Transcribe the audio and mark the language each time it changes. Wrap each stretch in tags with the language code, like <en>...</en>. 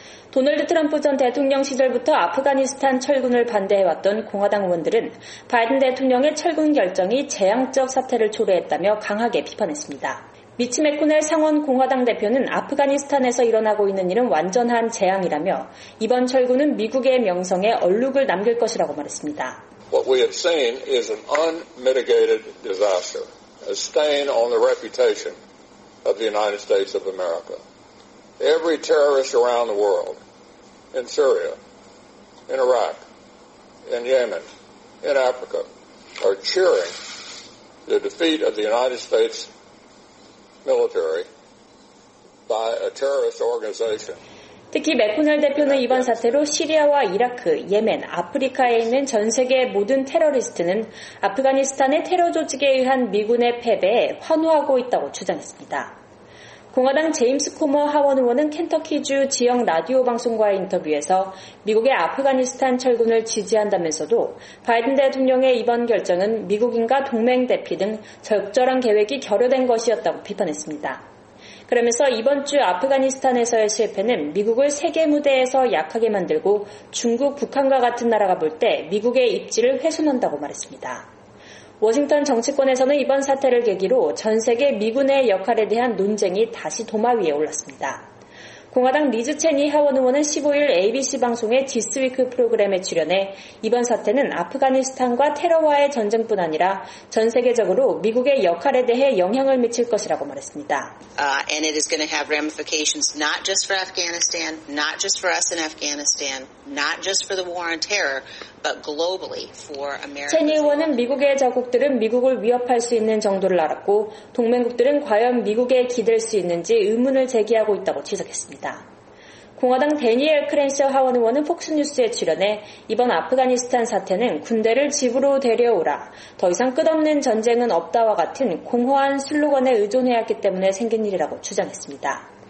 <ko>도널드 트럼프 전 대통령 시절부터 아프가니스탄 철군을 반대해왔던 공화당 의원들은 바이든 대통령의 철군 결정이 재앙적 사태를 초래했다며 강하게 비판했습니다. 미치 맥코넬 상원 공화당 대표는 아프가니스탄에서 일어나고 있는 일은 완전한 재앙이라며 이번 철군은 미국의 명성에 얼룩을 남길 것이라고 말했습니다.</ko> <en>What we have seen is an unmitigated disaster, a stain on the reputation of the United States of America. Every terrorist around the world, in Syria, in Iraq, in Yemen, in Africa, are cheering the defeat of the United States military by a terrorist organization.</en> <ko>특히 맥코넬 대표는 이번 사태로 시리아와 이라크, 예멘, 아프리카에 있는 전 세계의 모든 테러리스트는 아프가니스탄의 테러 조직에 의한 미군의 패배에 환호하고 있다고 주장했습니다. 공화당 제임스 코머 하원 의원은 켄터키주 지역 라디오 방송과의 인터뷰에서 미국의 아프가니스탄 철군을 지지한다면서도 바이든 대통령의 이번 결정은 미국인과 동맹 대피 등 적절한 계획이 결여된 것이었다고 비판했습니다. 그러면서 이번 주 아프가니스탄에서의 실패는 미국을 세계 무대에서 약하게 만들고 중국, 북한과 같은 나라가 볼 때 미국의 입지를 훼손한다고 말했습니다. 워싱턴 정치권에서는 이번 사태를 계기로 전 세계 미군의 역할에 대한 논쟁이 다시 도마 위에 올랐습니다. 공화당 리즈 체니 하원 의원은 15일 ABC 방송의 디스위크 프로그램에 출연해 이번 사태는 아프가니스탄과 테러와의 전쟁뿐 아니라 전 세계적으로 미국의 역할에 대해 영향을 미칠 것이라고 말했습니다.</ko> <en>And it is going to have ramifications not just for Afghanistan, not just for us in Afghanistan, not just for the war on terror, but globally for America.</en> <ko>체니 의원은 미국의 자국들은 미국을 위협할 수 있는 정도를 알았고 동맹국들은 과연 미국에 기댈 수 있는지 의문을 제기하고 있다고 지적했습니다. 공화당 데니엘 크랜셔 하원 의원은 폭스뉴스에 출연해 이번 아프가니스탄 사태는 군대를 집으로 데려오라, 더 이상 끝없는 전쟁은 없다와 같은 공허한 슬로건에 의존해왔기 때문에 생긴 일이라고 주장했습니다.</ko>